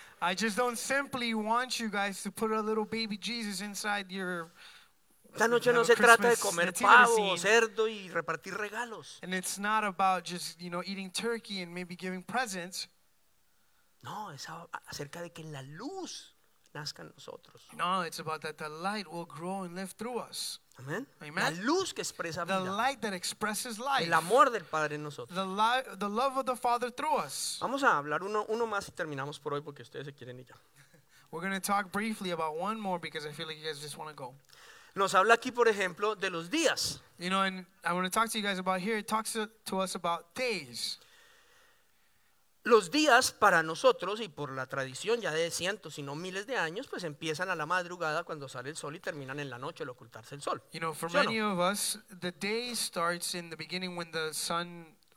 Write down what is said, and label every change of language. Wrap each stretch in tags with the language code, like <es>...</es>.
<en>I just don't simply want you guys to put a little baby Jesus inside your.</en> <es>Esta noche no se trata de comer pavo, cerdo y repartir regalos.</es> <en>And it's not about just, you know, eating turkey and maybe giving presents.</en> <es>No, es acerca de que la luz nazca en nosotros.</es> <en>No, it's about that the light will grow and live through us. Amen. Amen.</en> <es>La luz que expresa</es> <en>the</en> <es>vida.</es> <en>Light that expresses life.</en> <es>El amor del Padre en nosotros.</es> <en>The love of the Father through us.</en> <es>Vamos a hablar uno más y terminamos por hoy porque ustedes se quieren ir ya.</es> <en>We're going to talk briefly about one more because I feel like you guys just want to go.</en> <es>Nos habla aquí, por ejemplo, de los días.</es> <en>You know, and I want to talk to you guys about here. It talks to us about days.</en> <es>Los días para nosotros y por la tradición ya de cientos y no miles de años, pues empiezan a la madrugada cuando sale el sol y terminan en la noche al ocultarse el sol.</es> <en>You know, for many of us, the day starts in the beginning when the sun</en>